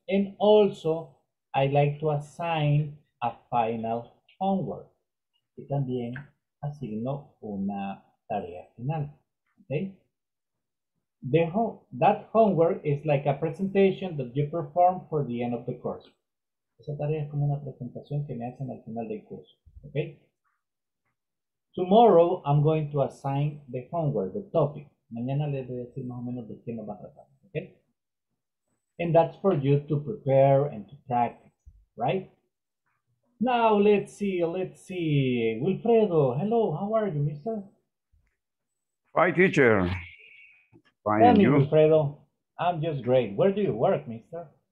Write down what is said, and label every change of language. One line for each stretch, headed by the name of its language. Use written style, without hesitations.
English: And also, I like to assign a final homework.
Spanish: Y también asigno una tarea final. Okay?
English: That homework is like a presentation that you perform for the end of the course.
Spanish: Esa tarea es como una presentación que me hacen al final del curso.
English: Okay? Tomorrow I'm going to assign the homework, the topic.
Spanish: Mañana les voy a decir más o menos de qué nos va a tratar.
English: Okay? And that's for you to prepare and to practice, right? Now let's see. Wilfredo, hello, how are you, mister? Hi, teacher. Tell me, Wilfredo. I'm just great. Where do you work, mister?